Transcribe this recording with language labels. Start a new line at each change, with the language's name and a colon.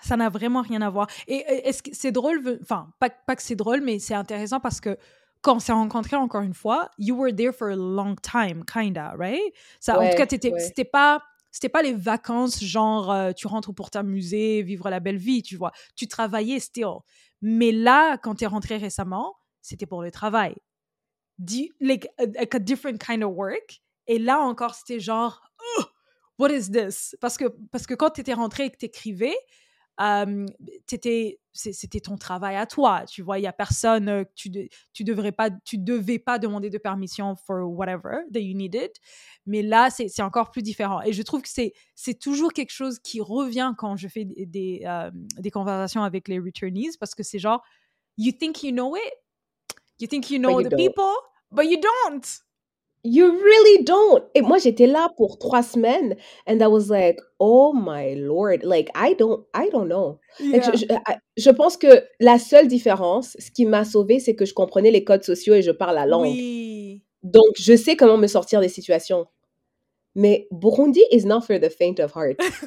French: Ça n'a vraiment rien à voir. Et est-ce que c'est drôle, enfin, pas que c'est drôle, mais c'est intéressant parce que quand on s'est rencontrés encore une fois,
English: you were there for a long time, kinda, right?
French: Ça, ouais, en tout cas, c'était pas les vacances genre tu rentres pour t'amuser, vivre la belle vie, tu vois. Tu travaillais still. Mais là, quand t'es rentré récemment, c'était pour le travail.
English: Like a different kind of work.
French: Et là encore, c'était genre, oh,
English: what is this?
French: Parce que quand tu étais rentrée et que tu écrivais, c'était ton travail à toi. Tu vois, il n'y a personne, tu devais pas demander de permission
English: for whatever that you needed.
French: Mais là, c'est encore plus différent. Et je trouve que c'est toujours quelque chose qui revient quand je fais des conversations avec les returnees, parce que c'est genre,
English: you think you know it? You think you know the people? But you don't! You really don't.
French: Et moi, j'étais là pour 3 semaines
English: and I was like, oh my Lord. Like, I don't know. Yeah.
French: Je pense que la seule différence, ce qui m'a sauvée, c'est que je comprenais les codes sociaux et je parle la langue. Oui. Donc, je sais comment me sortir des situations.
English: Mais Burundi is not for the faint of heart.